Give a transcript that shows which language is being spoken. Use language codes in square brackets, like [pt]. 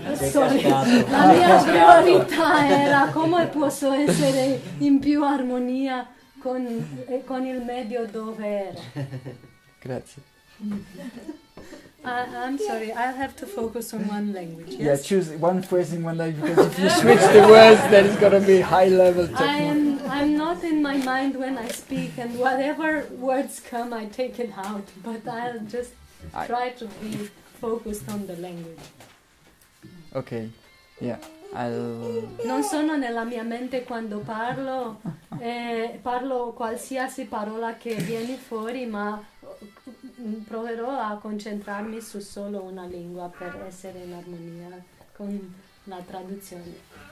[en] Sorry, [it] la mia priorità era come posso essere in più armonia con il medio dove Grazie. ero. [en] I'm sorry, I'll have to focus on one language, Yeah, yes? choose one phrase in one language because if you switch the words, then it's gonna be high level techno. I'm not in my mind when I speak, and whatever words come, I take it out, but I'll just try to be focused on the language. Okay, yeah, I'll. [it] Non sono nella mia mente quando parlo, parlo qualsiasi parola che viene fuori, ma proverò a concentrarmi su solo una lingua per essere in armonia con la traduzione.